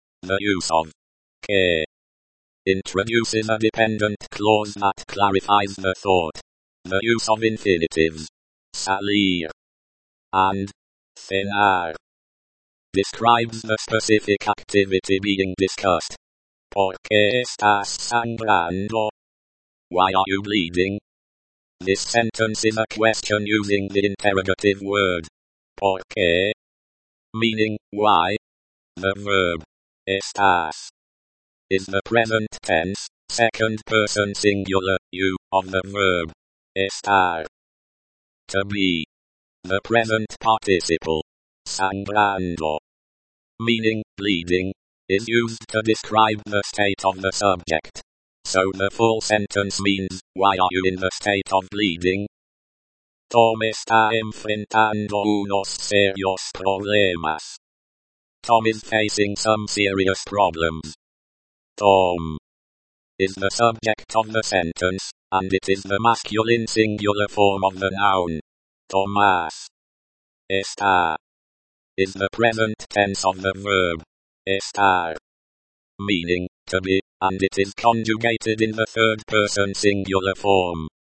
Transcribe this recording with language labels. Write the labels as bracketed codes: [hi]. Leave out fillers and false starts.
[en] The use of que introduces a dependent clause that clarifies the thought. The use of infinitives salir and cenar describes the specific activity being discussed. [es] ¿Por qué estás sangrando? [en] Why are you bleeding? This sentence is a question using the interrogative word ¿por qué?, meaning why. The verb estás is the present tense, second person singular, you, of the verb estar. To be, the present participle, sangrando, meaning bleeding, is used to describe the state of the subject. So the full sentence means, why are you in the state of bleeding? [es] Tom está enfrentando unos serios problemas. [en] Tom is facing some serious problems. Tom is the subject of the sentence, and it is the masculine singular form of the noun. Tomás está is the present tense of the verb estar, meaning to be, and it is conjugated in the third person singular form.